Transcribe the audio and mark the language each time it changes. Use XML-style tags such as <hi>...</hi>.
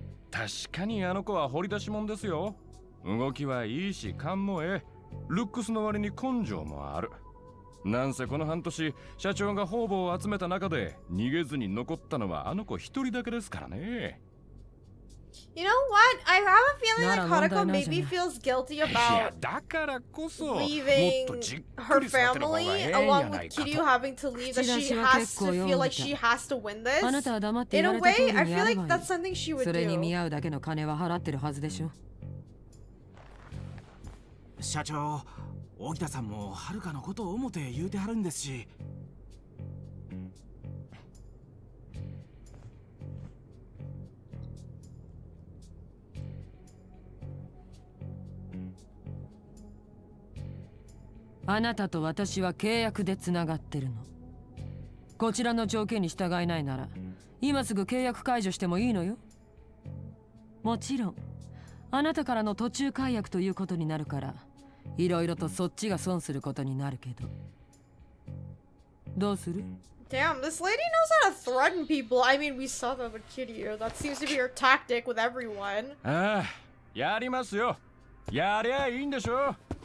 <ja>確かにあの子は掘り出し物ですよ。動きはいいし勘もええ、ルックスの割に根性もある。なんせこの半年社長が方々を集めた中で逃げずに残ったのはあの子一人だけですからね。</ja> <en>You know what? I have a feeling like Haruka maybe feels guilty about leaving her family along with Kiryu having to leave, that she has to feel like she has to win this. In a way, I feel like that's something she would do.</en> <ja>それに見合うだけの金は払ってるはずでしょ。社長、沖田さんも遥のことを思って言うてはるんですし。あなたと私は契約でつながってるの。こちらの条件に従えないなら今すぐ契約解除してもいいのよ。もちろんあなたからの途中解約ということになるから、いろいろとそっちが損することになるけど、どうする？</ja> <en>Damn, this lady knows how to threaten people. I mean, we saw that with Kiryu. That seems to be her tactic with everyone.</en> <ja>やりますよ.やりゃいいんでしょ。</ja>